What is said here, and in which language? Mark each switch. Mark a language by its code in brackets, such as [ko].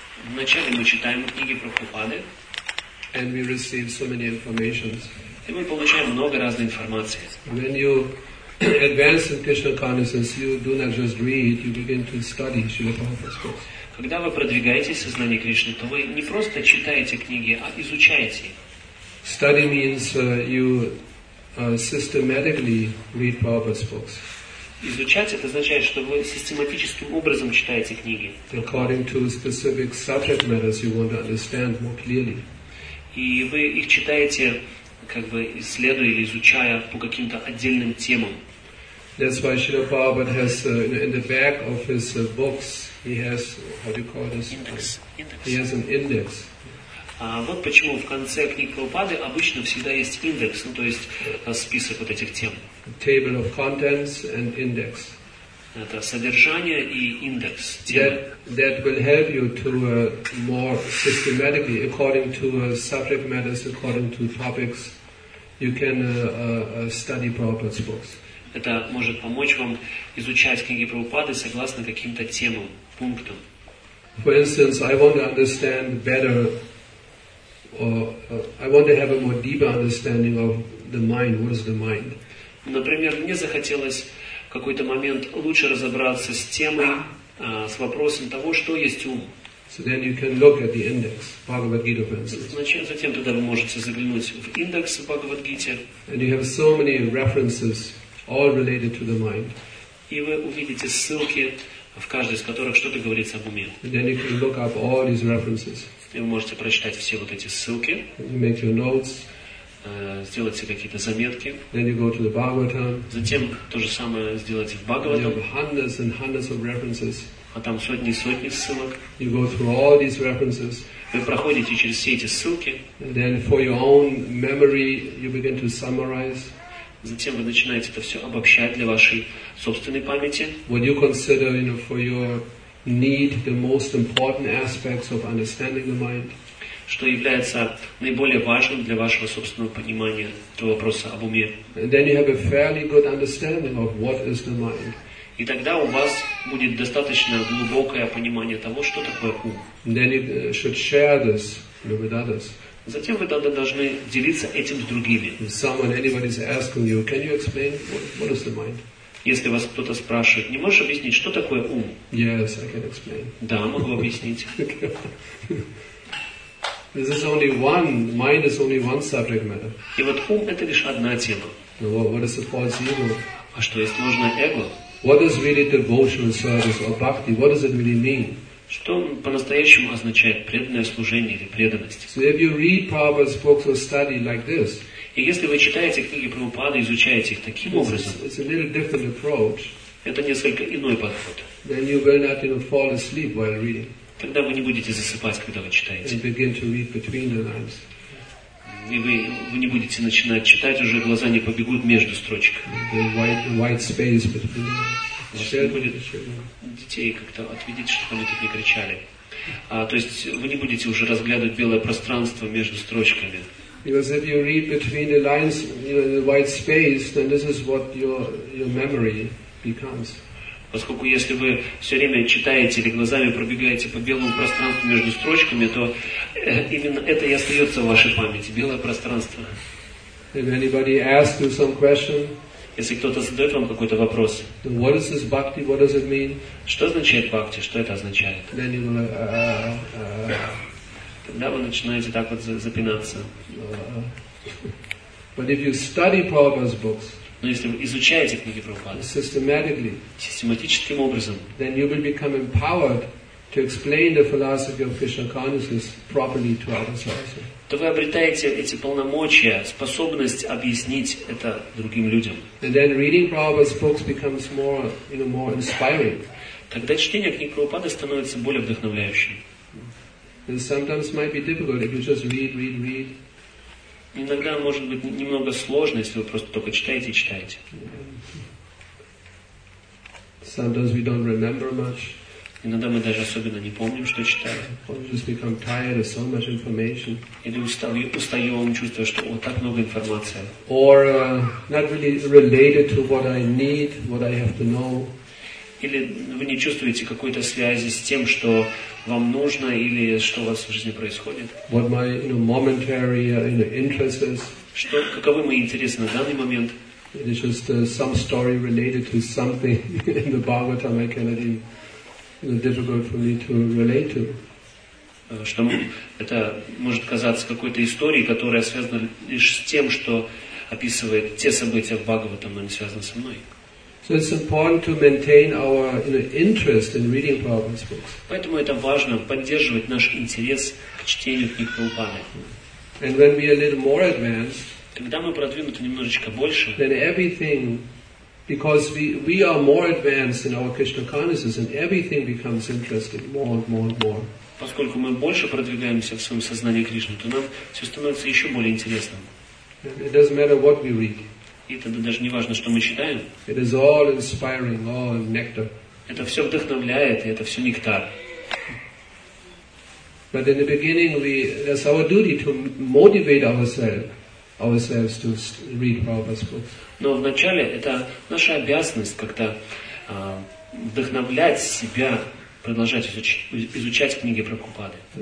[ru] Вначале мы читаем книги Прабхупады. [en] And we receive so many informations. [ru] И мы получаем много разной информации. [en] When you advance in Krishna consciousness, you do not just read; you begin to study Srila Prabhupada's books. [ru] Когда вы продвигаетесь в сознании Кришны, то вы не просто читаете книги, а изучаете. [en] Study means you systematically read Prabhupada's books. [ru] Изучать это означает, что вы систематическим образом читаете книги. [en] According to specific subject matters you want to understand more clearly. [ru] И вы их читаете, как бы исследуя или изучая по каким-то отдельным темам. [en] That's why Srila Prabhupada has in the back of his books he has, how do you call this? Index. He has an index. [ru] Вот почему в конце книг Прабхупады обычно всегда есть индекс, ну то есть список вот этих тем. [en] Table of contents and index. [ru] Это содержание и индекс. [en] That will help you to more systematically, according to subject matters, according to topics, you can study Prabhupada's books. [ru] Это может помочь вам изучать книги Прабхупады согласно каким-то темам, пунктам. [en] For instance, I want to understand better. I want to have a more deeper understanding of the mind. What is the mind? [ru] Например, мне захотелось в какой-то момент лучше разобраться с темой, с вопросом того, что есть ум. [en] So then you can look at the index, Bhagavad Gita, for instance. [ru] Затем тогда вы можете заглянуть в индекс Бхагавад Гите. [en] And you have so many references, all related to the mind. [ru] И вы увидите ссылки, в каждой из которых что-то говорится об уме. [en] And then you can look up all these references. [ru] И вы можете прочитать все вот эти ссылки, [en] make your notes, [ru] сделать себе какие-то заметки. [en] Then you go to the Bhagavatam. [ru] Затем то же самое сделать в Бхагаватам. [en] You have hundreds and hundreds of references. [ru] А там сотни и сотни ссылок. [en] You go through all these references. [ru] Вы проходите через все эти ссылки. [en] And then for your own memory, you begin to summarize. [ru] Затем вы начинаете это все обобщать для вашей собственной памяти. [en] What you consider, you know, for your need the most important aspects of understanding the mind. [ru] Что является наиболее важным для вашего собственного понимания этого вопроса об уме. [en] And then you have a fairly good understanding of what is the mind. [ru] И тогда у вас будет достаточно глубокое понимание того, что такое ум. [en] And then you should share this with others. [ru] Затем вы тогда должны делиться этим с другими. [en] If someone, anybody is asking you, can you explain what is the mind? [ru] Если вас кто-то спрашивает, не можешь объяснить, что такое ум? [en] Yes, I can explain. [ru] Да, могу объяснить. [en] Okay. This is only one. Mind is only one subject matter. [ru] И вот ум — это лишь одна тема. [en] What is the false ego? [ru] А что есть ложное эго? [en] What is really devotional service or bhakti? What does it really mean? [ru] Что по-настоящему означает преданное служение или преданность? [en] So if you read Prabhupada's books or study like this. [ru] И если вы читаете книги Прабхупады, изучаете их таким образом, это несколько иной подход. [en] Then you will not, you know, fall asleep while reading. [ru] Тогда вы не будете засыпать, когда вы читаете. [en] And begin to read between the lines. [ru] И вы не будете начинать читать, уже глаза не побегут между строчек. [en] White space between the lines. [ru] Не будет детей как-то отведите, чтобы они тут не кричали. То есть вы не будете уже разглядывать белое пространство между строчками. [en] Because if you read between the lines, you know, in the white space, then this is what your memory becomes. [ru] Поскольку если вы все время читаете или глазами пробегаете по белому пространству между строчками, то именно это и остается в вашей памяти, белое пространство. [en] If anybody asks you some question, [ru] если кто-то задает вам какой-то вопрос, [en] then what is this bhakti? What does it mean? [ru] Что означает бхакти? Что это означает? [en] Then you will, [ru] тогда вы начинаете так вот запинаться. [en] But if you study Prabhupada's books, [ru] но если вы изучаете книги Прабхупады [en] systematically, [ru] систематическим образом, [en] then you will become empowered to explain the philosophy of Krishna consciousness properly to others. [ru] То вы обретаете эти полномочия, способность объяснить это другим людям. [en] And then reading Prabhupada's books becomes more, you know, more inspiring. [ru] Тогда чтение книг Прабхупады становится более вдохновляющим. [en] And sometimes might be difficult if you just read. [ru] Иногда может быть немного сложно, если вы просто только читаете. [en] Sometimes we don't remember much. [ru] Иногда мы даже особенно не помним, что читали. Или устаем, чувствуя, что вот так много информации. [en] Or not really related to what I need, what I have to know. [ru] Или вы не чувствуете какой-то связи с тем, что вам нужно или что у вас в жизни происходит. [en] What my, you know, momentary, you know, interest is. [ru] Что, каковы мои интересы на данный момент? [en] It is just some story related to something in the Bhagavatam I cannot even. Difficult for me to relate to. [ru] Что это может казаться какой-то историей, которая связана лишь с тем, что описывает те события в Бхагаватам, но не связана со мной. [en] So it's important to maintain our, you know, interest in reading Prabhupada's books. [ru] Поэтому это важно поддерживать наш интерес к чтению книг Прабхупады. [en] And when we are a little more advanced, [ru] когда мы продвинуты немножечко больше, [en] then everything. Because we are more advanced in our Krishna consciousness, and everything becomes interesting more. [ru] Поскольку мы больше продвигаемся в своем сознании Кришны, то нам все становится еще более интересным. [en] It doesn't matter what we read. [ru] И тогда даже не важно, что мы читаем. [en] It is all inspiring, all nectar. [ru] Это все вдохновляет, и это все нектар. [en] But in the beginning, it's our duty to motivate ourselves to read Prabhupada's books. [ru] Но вначале это наша обязанность как-то вдохновлять себя, продолжать изучать книги Прабхупады.